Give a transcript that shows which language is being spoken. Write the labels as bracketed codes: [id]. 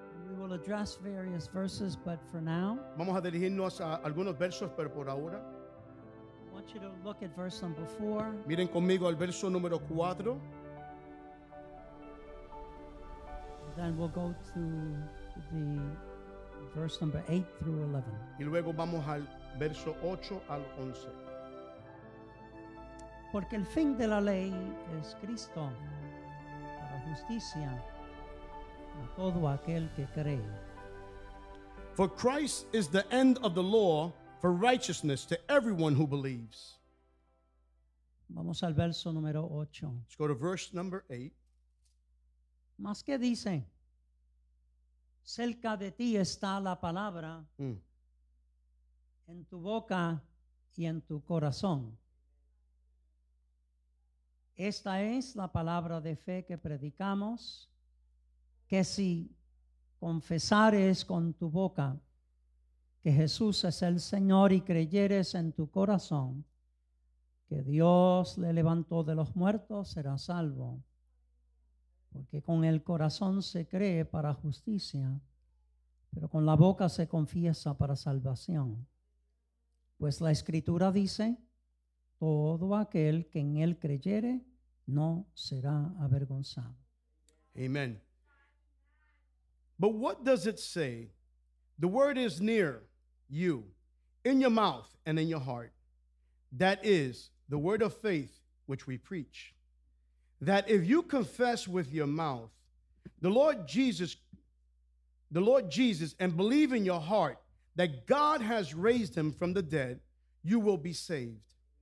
[en] We will address various verses, but for now, [es] vamos a dirigirnos a algunos versos, pero por ahora, [en] I want you to look at verse number 4. [es] Miren conmigo al verso número 4. [en] Then we'll go to the verse number 8 through 11. [es] Y luego vamos al verso 8 al 11. Porque el fin de la ley es Cristo, para justicia a todo aquel que cree. [en] For Christ is the end of the law for righteousness to everyone who believes. [es] Vamos al verso número 8. [en] Let's go to verse number 8. [es] Más que dice, cerca de ti está la palabra, en tu boca y en tu corazón. Esta es la palabra de fe que predicamos, que si confesares con tu boca que Jesús es el Señor y creyeres en tu corazón que Dios le levantó de los muertos, serás salvo. Porque con el corazón se cree para justicia, pero con la boca se confiesa para salvación. Pues la Escritura dice, todo aquel que en él creyere no será avergonzado. [en] Amen. But what does it say? The word is near you, in your mouth and in your heart. That is the word of faith which we preach. That if you confess with your mouth the Lord Jesus, and believe in your heart that God has raised him from the dead, you will be saved.